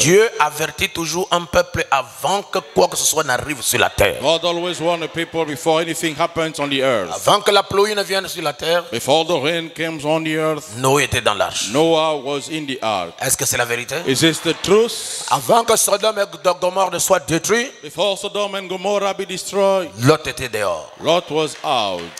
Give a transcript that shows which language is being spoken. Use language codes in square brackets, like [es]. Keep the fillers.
[fr] Dieu avertit toujours un peuple avant que quoi que ce soit n'arrive sur la terre. [en] God always warns people before anything happens on the earth. [fr] Avant que la pluie ne vienne sur la terre. [en] Before the rain comes on the earth. [fr] Noé était dans l'arche. [en] Noah was in the ark. [fr] Est-ce que c'est la vérité? [en] Is this the truth? [fr] Avant que Sodome et Gomorrhe soient détruits. [en] Before Sodom and Gomorrah be destroyed. [fr] Lot était dehors. [en] Lot was out.